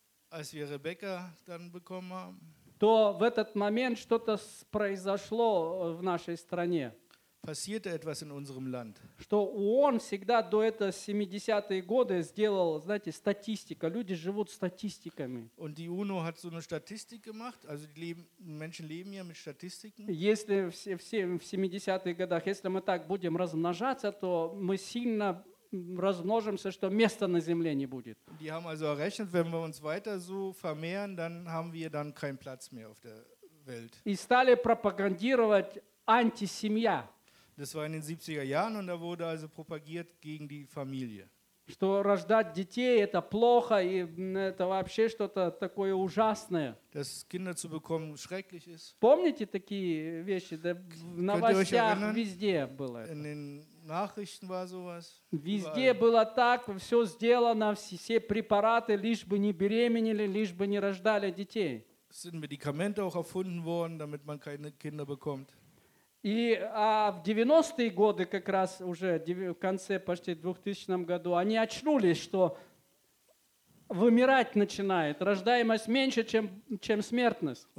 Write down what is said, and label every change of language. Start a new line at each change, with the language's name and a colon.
German: Als wir Rebecca dann bekommen haben.
Russian: то в этот момент что-то произошло в нашей стране.
German: Passierte etwas in unserem Land.
Russian: Что ООН всегда до этого 70-е годы сделал, знаете, статистика. Люди живут статистиками.
German: Und die UNO hat so eine Statistik gemacht, also die leben, Menschen leben ja mit Statistiken.
Russian: Если в 70-х годах, если мы так будем размножаться, то мы сильно размножимся, что места на земле не будет.
German: Die haben also errechnet, wenn wir uns weiter so vermehren, dann haben wir dann keinen Platz mehr auf der Welt.
Russian: И стали пропагандировать антисемья.
German: Das war in den 70er Jahren und da wurde also propagiert gegen die Familie.
Russian: Что рождать детей это плохо и это вообще что-то такое ужасное.
German: Dass Kinder zu bekommen schrecklich ist.
Russian: Помните такие вещи? Да, в новостях везде было.
German: In den Nachrichten war sowas.
Russian: Везде было так, все сделано, все препараты, лишь бы не беременели, лишь бы не рождали детей.
German: Sind Medikamente auch erfunden worden, damit man keine Kinder bekommt.
Russian: И в 90-е годы, как раз уже в конце почти 2000-м году, они очнулись, что вымирать начинает, рождаемость меньше, чем смертность.